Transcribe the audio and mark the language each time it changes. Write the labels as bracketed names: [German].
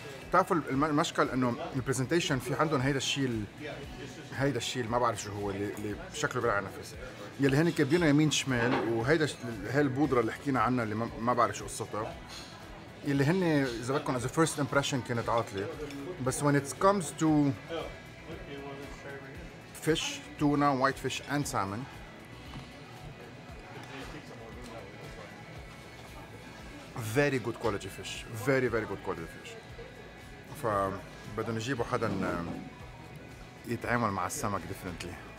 [Arabic] بتعرفوا المشكل إنه البرزنتيشن في عندهم هيدا الشيء ما بعرف شو هو اللي شكله بلع نفس. يلي هن كبينه يمين شمال وهيدا هاي البودره اللي حكينا عنها اللي ما بعرف شو قصتها. يلي هن اذا بدكم [English] as first impression [Arabic] كانت عاطله. [English] بس when it comes to fish, tuna, white fish and salmon very good quality fish, very very good quality fish. [Arabic] ف بدهم يجيبوا حدا يتعامل مع السمك [English] differently.